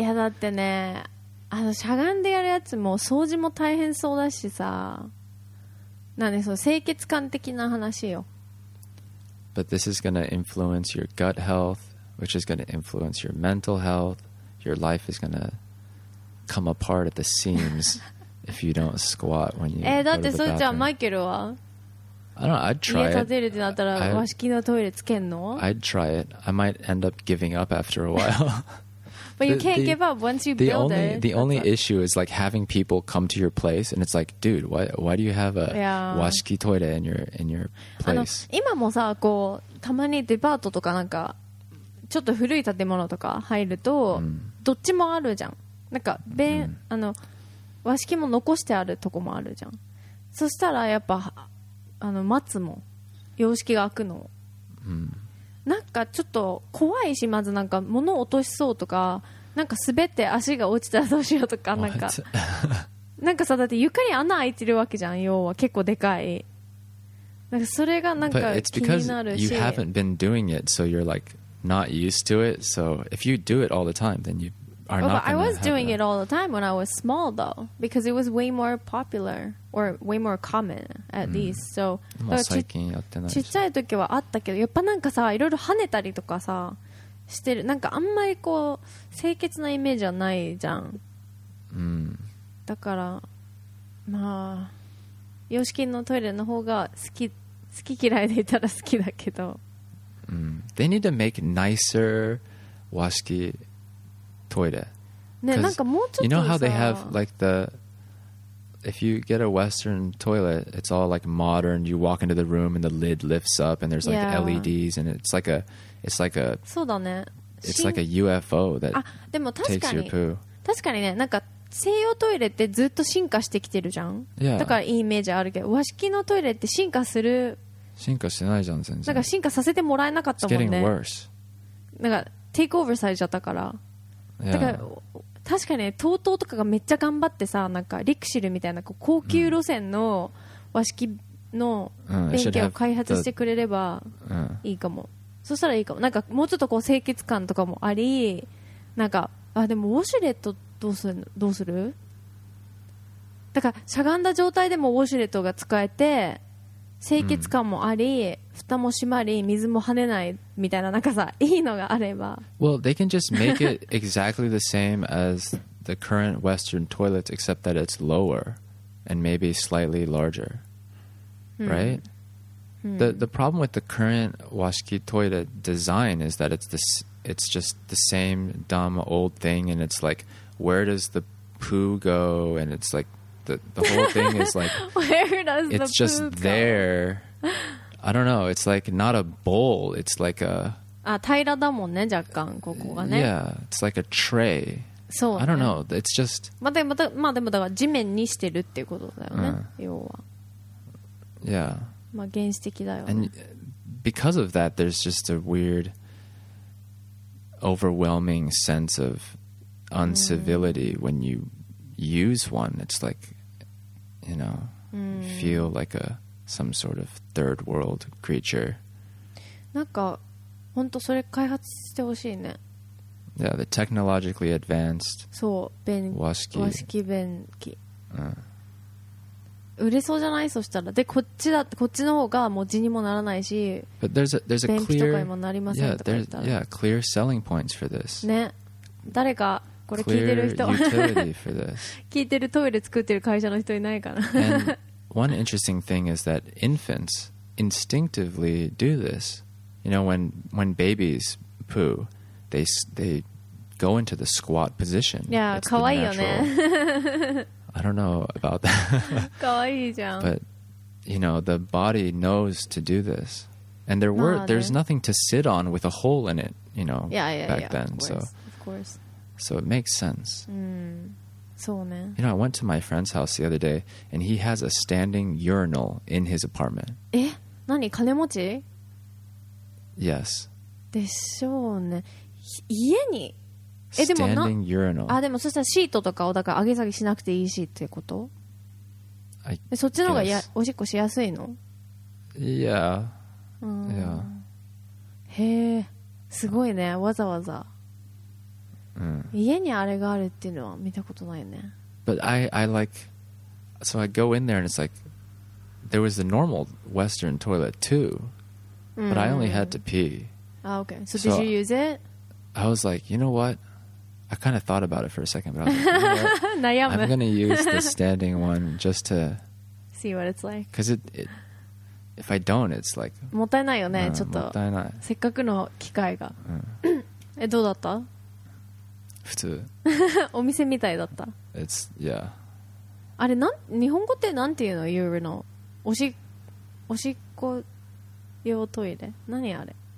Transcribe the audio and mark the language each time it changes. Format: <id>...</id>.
<ja>いやだってね、あのしゃがんでやるやつも掃除も大変そうだしさ、なんでそう清潔感的な話よ。</ja> <en>But this is going to influence your gut health, which is going to influence your mental health. Your life is going to come apart at the seams if you don't squat when you go to the bathroom.</en> <ja>だってそうじゃん、マイケルは。家建てるってなったら和式のトイレつけんの？</ja> <en>I'd try it. I might end up giving up after a while. But you can't give up once you build it. The only issue is like having people come to your place and it's like, dude, why do you have a washiki toilet in your place?</en> <ja>今もさ、こうたまにデパートとかなんかちょっと古い建物とか入るとどっちもあるじゃん。なんか便あの和式も残してあるとこもあるじゃん。そしたらやっぱあの待つも洋式が開くの。なんかちょっと怖いし、まずなんか物を落としそうとか、なんか滑って足が落ちたらどうしようとか、なんか、なんかさ、だって床に穴開いてるわけじゃん、要は結構でかい。なんかそれがなんか気になるし。</ja> <en>But it's because you haven't been doing it, so you're like not used to it. So if you do it all the time, then you are not. But I was doing it all the time when I was small, though, because it was way more popular or way more common at least. So,</en> <ja>まあ最近やってないし。ちっちゃい時はあったけど、やっぱなんかさ、いろいろ跳ねたりとかさ、してる。なんかあんまりこう清潔なイメージはないじゃん。だからまあ洋式のトイレの方が好き嫌いでいたら好きだけど。</ja> <en>They need to make nicer 和式トイレ。</en> <ja>ね、なんかもうちょっと。</ja> <en>You know how they have like the if you get a Western toilet, it's all like modern. You walk into the room and the lid lifts up and there's like LEDs and it's like a.</en> <ja>そうだね。</ja> <en>It's like a UFO that</en> <ja>でも</ja> <en>takes your poo.</en> <ja>確かにね、なんか西洋トイレってずっと進化してきてるじゃん。</ja> <en>Yeah.</en> <ja>だからいいイメージあるけど、和式のトイレって進化する。進化してないじゃん全然。なんか進化させてもらえなかったもんね。</ja> <en>It's getting worse.</en> <ja>なんかテイクオーバーされちゃったから。</ja> <en>Yeah.</en> <ja>だから確かにね、TOTOとかがめっちゃ頑張ってさ、なんかリクシルみたいなこう高級路線の和式の便器を開発してくれればいいかも。そしたらいいかも。なんかもうちょっとこう清潔感とかもあり、なんかあでもウォシュレットどうする？だからしゃがんだ状態でもウォシュレットが使えて。清潔感もあり、蓋も閉まり、水も跳ねないみたいな、なんかさ、いいのがあれば。</ja> <en>Well, they can just make it exactly the same as the current Western toilets, except that it's lower and maybe slightly larger, right? The problem with the current 和式トイレ design is that it's just the same dumb old thing, and it's like, where does the poo go? And it's like,The whole thing is like Where does it's the just there. I don't know. It's like not a bowl. It's like a.</en> <ja>Ah, 平らだもんね、若干ここがね。</ja> <en>Yeah, it's like a tray.</en> <ja>そう、ね。</ja> <en>I don't know. It's just.</en> <ja>まあでもだから地面にしてるっていうことだよね。要は。</ja> <en>Yeah.</en> <ja>まあ原始的だよね。</ja> <en>And because of that, there's just a weird overwhelming sense of uncivility when you use one. It's like, you know, you feel like a some sort of third world creature.</en> <ja>なんか本当それ開発してほしいね。</ja> <en>Yeah, the technologically advanced.</en> <ja>そう、便器。和式便器。売れそうじゃない？そしたら。で、こっちだ、こっちの方がもう字にもならないし。</ja> <en>But there's a clear.</en> <ja>便器とかにもなりませんとか言ったら。</ja> <en>Yeah, clear selling points for this.</en> <ja>ね。誰かこれ聞いてる人。聞いてるトイレ作ってる会社の人いないかな。</ja> <en>And one interesting thing is that infants instinctively do this. You know, when babies poo. They go into the squat position.</en> <ja>Yeah, かわいいよね。</ja> <en>I don't know about that.</en> <ja>かわいいじゃん。</ja> <en>But, you know, the body knows to do this. And there were, there's nothing to sit on with a hole in it, you know, back then. Of course, So it makes sense.</en> <ja>そうね。</ja> <en>You know, I went to my friend's house the other day, and he has a standing urinal in his apartment.</en> <ja>え？なに？金持ち？</ja> <en>Yes.</en> <ja>でしょうね。家に、え、でもな、</ja> <en>standing urinal。</en> <ja>あ、でもそしたらシートとかをだから上げ下げしなくていいしってこと？</ja> <en>I、</en> <ja>そっちの方がや、おしっこしやすいの？</ja> <en>Yeah.</en> <ja>へえ、すごいね、わざわざ。家にあれがあるっていうのは見たことないよね。</ja> <en>But I like, so I go in there and it's like, there was the normal Western toilet too, but I only had to pee. Ah, okay. So did you use it? I was like, you know what? I kind of thought about it for a second, but I was like, you know what? I'm going to use the standing one just to see what it's like. Because it, if I don't, it's like...</en> <ja>もったいないよね、ちょっと。もったいない。せっかくの機会が。え、どうだった？普通。お店みたいだった。</ja> <en>It's, yeah.</en> <ja>あれ、日本語ってなんていうの？ユーロの。おしっこ用トイレ。何あれ？</ja>